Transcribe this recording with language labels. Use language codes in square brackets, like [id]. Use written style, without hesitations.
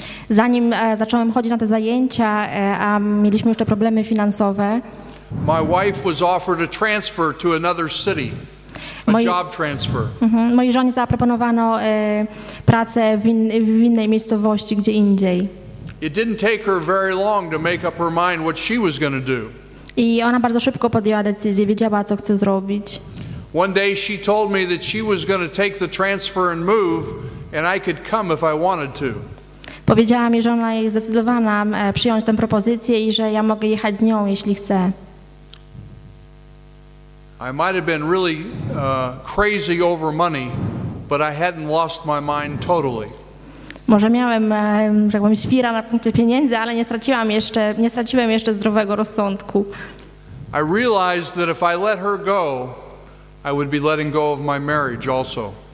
[pl] Zanim zacząłem chodzić na te zajęcia, mieliśmy już te problemy finansowe. [en] My wife was offered a transfer to another city. Job transfer. [pl] Mojej żonie zaproponowano pracę w innej miejscowości, gdzie indziej. [en] It didn't take her very long to make up her mind what she was going to do. [pl] I ona bardzo szybko podjęła decyzję, wiedziała, co chce zrobić. [en] One day she told me that she was going to take the transfer and move, and I could come if I wanted to. [pl] Powiedziała mi, że ona jest zdecydowana przyjąć tę propozycję i że ja mogę jechać z nią, jeśli chcę. [en] I might have been really crazy over money, but I hadn't lost my mind totally. [pl] Może miałem, jakbym świra na punkcie pieniędzy, ale nie straciłem jeszcze zdrowego rozsądku. [en] I realized that if I let her go, I would be letting go of my marriage also.